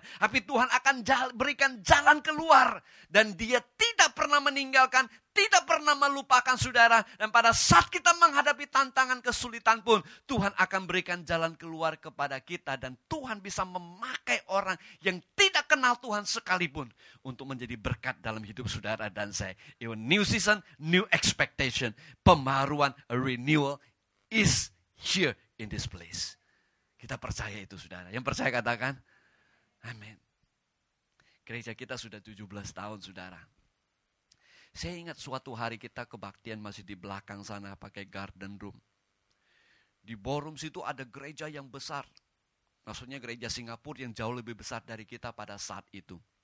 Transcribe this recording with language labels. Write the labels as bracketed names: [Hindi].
[Indonesian] Tapi Tuhan akan berikan jalan keluar. Dan dia tidak pernah meninggalkan, tidak pernah melupakan, saudara. Dan pada saat kita menghadapi tantangan kesulitan pun, Tuhan akan berikan jalan keluar kepada kita. Dan Tuhan bisa memakai orang yang tidak kenal Tuhan sekalipun untuk menjadi berkat dalam hidup saudara dan saya. [English] Even new season, new expectation. [Indonesian] Pembaharuan, [English] a renewal is here in this place. [Indonesian] Kita percaya itu, saudara. Yang percaya katakan, amin. Gereja kita sudah 17 tahun, saudara. Saya ingat suatu hari kita kebaktian masih di belakang sana pakai garden room. Di ballroom situ ada gereja yang besar. Maksudnya gereja Singapura yang jauh lebih besar dari kita pada saat itu.